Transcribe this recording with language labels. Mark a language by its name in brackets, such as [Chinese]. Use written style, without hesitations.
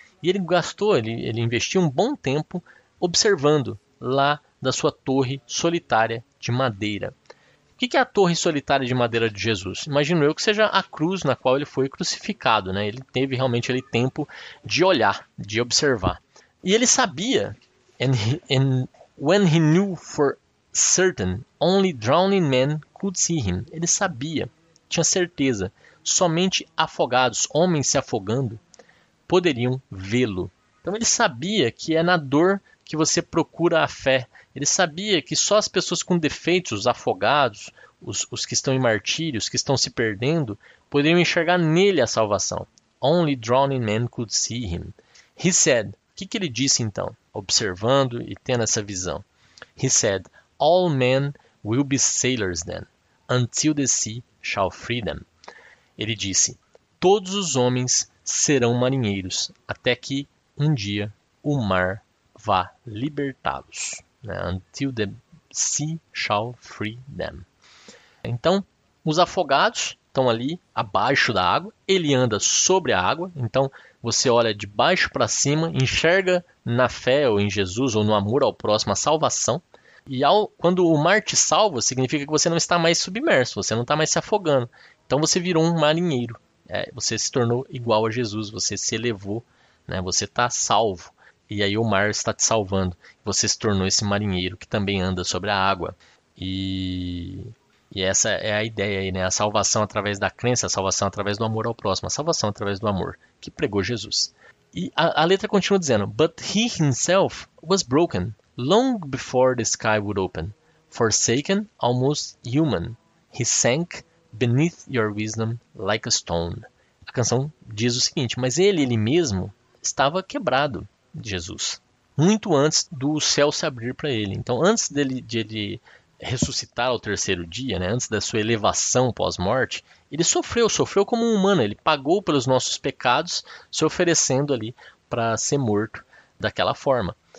[Portuguese] E ele gastou, ele investiu um bom tempo observando lá da sua torre solitária de madeira. O que é a torre solitária de madeira de Jesus? Imagino eu que seja a cruz na qual ele foi crucificado, né? Ele teve realmente ali tempo de olhar, de observar. E ele sabia, and [English] When he knew for certain, only drowning men could see him. [Portuguese] Ele sabia, tinha certeza, somente afogados, homens se afogando, poderiam vê-lo. Então ele sabia que é na dor que você procura a fé. Ele sabia que só as pessoas com defeitos, os afogados, os que estão em martírios, que estão se perdendo, poderiam enxergar nele a salvação. [English] Only drowning men could see him. He said, [Portuguese] o que ele disse então, observando e tendo essa visão? [English] He said, all men will be sailors then, until the sea shall free them. [Portuguese] Ele disse, todos os homens serão marinheiros, até que um dia o mar vá libertá-los. [English] Until the sea shall free them. [Portuguese] Então, os afogados estão ali abaixo da água, ele anda sobre a água, então você olha de baixo para cima, enxerga na fé ou em Jesus ou no amor ao próximo a salvação, e quando o mar te salva, significa que você não está mais submerso, você não está mais se afogando, então você virou um marinheiro, você se tornou igual a Jesus, você se elevou, você está salvo, e aí o mar está te salvando, você se tornou esse marinheiro que também anda sobre a água, E essa é a ideia aí, a salvação através da crença, a salvação através do amor ao próximo, a salvação através do amor que pregou Jesus. E a letra continua dizendo, [English] but he himself was broken long before the sky would open, forsaken, almost human, he sank beneath your wisdom like a stone. [Portuguese] A canção diz o seguinte, mas ele mesmo estava quebrado, Jesus, muito antes do céu se abrir para ele. Então, antes dele ressuscitar ao terceiro dia, antes da sua elevação pós-morte, ele sofreu como um humano, ele pagou pelos nossos pecados, se oferecendo ali para ser morto daquela forma.